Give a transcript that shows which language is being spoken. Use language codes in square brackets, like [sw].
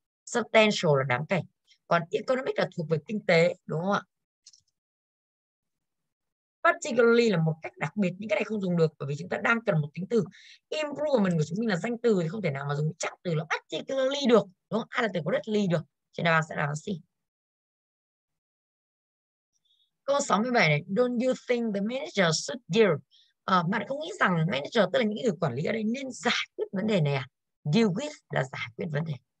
[vi] Substantial là đáng kể. Còn economic là thuộc về kinh tế, đúng không ạ? Particularly là một cách đặc biệt, những cái này không dùng được bởi vì chúng ta đang cần một tính từ. Improvement của chúng mình là danh từ thì không thể nào mà dùng chắc từ là particularly được, đúng không? Hay là từ có readily được. Thì nào sẽ là gì? Câu 67 này, [en] don't you think the manager should deal? [vi] Bạn không nghĩ rằng manager, tức là những người quản lý ở đây, nên giải quyết vấn đề này à? Deal with là giải quyết vấn đề.